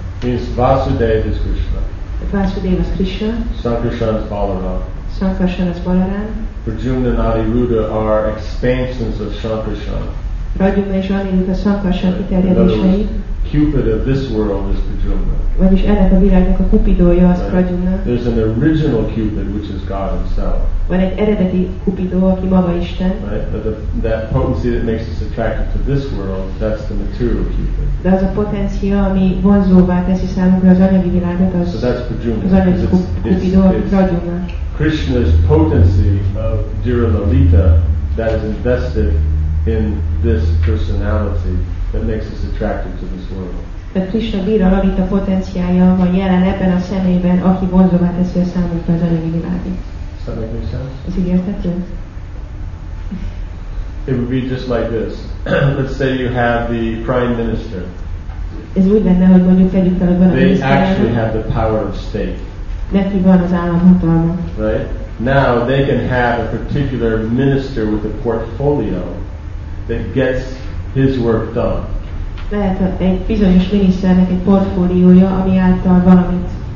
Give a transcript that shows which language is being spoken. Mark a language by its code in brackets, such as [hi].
[en] Means Vasudeva is Krishna. Vasudeva is Krishna. Sankarsana is Balaram. Sankarsana is Balaram. Prajumna and Aniruddha are expansions of Sankarsana. [hu] Prajumna és Aniruddha Sankarsana kiterjedései. [en] Cupid of this world is Prajumna. [hu] Vagyis ennek a világnak a kupidója az Prajumna. [en] There's an original Cupid, which is God Himself. [hu] Van egy eredeti kupidó, aki maga Isten. [en] Right, that potency that makes us attracted to this world, that's the material Cupid. [hu] De az a potencia, ami vonzóvá teszi számunkra az anyagi világot, az. [en] So that's Prajumna. [hu] Az anyagi kupidó, Prajumna. [en] Krishna's potency of Dhiralalita that is invested in this personality that makes us attracted to this world. [hu] De Krishna Dhiralalita potenciája van jelen ebben a személyben, aki vonzóvá teszi a számunkra az anyagi világot. [en] Does that make sense? It would be just like this. Let's say you have the prime minister. [hu] Ez úgy lenne, hogy mondjuk tegyük fel, hogy van a miniszterelnök. [en] They actually have the power of state. [hu] Neki van az államhatalma. [en] Right? Now they can have a particular minister with a portfolio that gets his work done. [hu] Lehet egy bizonyos miniszternek egy portfóliója, ami által valamit